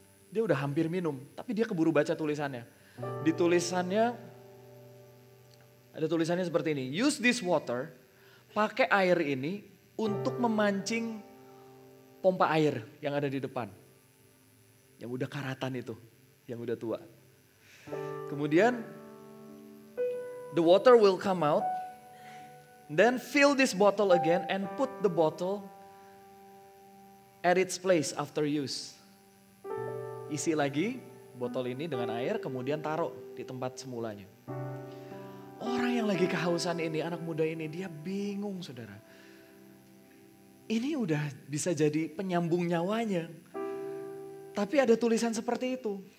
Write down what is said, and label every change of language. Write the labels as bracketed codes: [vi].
[id] Dia udah hampir minum, tapi dia keburu baca tulisannya. Di tulisannya, ada tulisannya seperti ini. [en] Use this water, [id] pakai air ini untuk memancing pompa air yang ada di depan. Yang udah karatan itu, yang udah tua. Kemudian, [en] the water will come out, then fill this bottle again and put the bottle at its place after use. [id] Isi lagi botol ini dengan air, kemudian taruh di tempat semulanya. Orang yang lagi kehausan ini, anak muda ini, dia bingung, saudara. Ini udah bisa jadi penyambung nyawanya, tapi ada tulisan seperti itu.